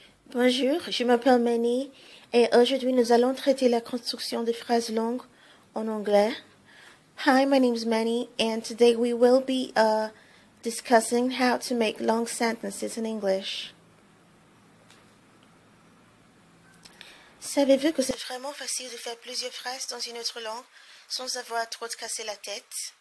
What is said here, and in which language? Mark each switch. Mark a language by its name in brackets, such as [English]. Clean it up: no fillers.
[French] Bonjour, je m'appelle Manny et aujourd'hui nous allons traiter la construction des phrases longues en anglais. [English] Hi, my name is Manny and today we will be discussing how to make long sentences in English. [French] Savez-vous que c'est vraiment facile de faire plusieurs phrases dans une autre langue sans avoir trop de casser la tête?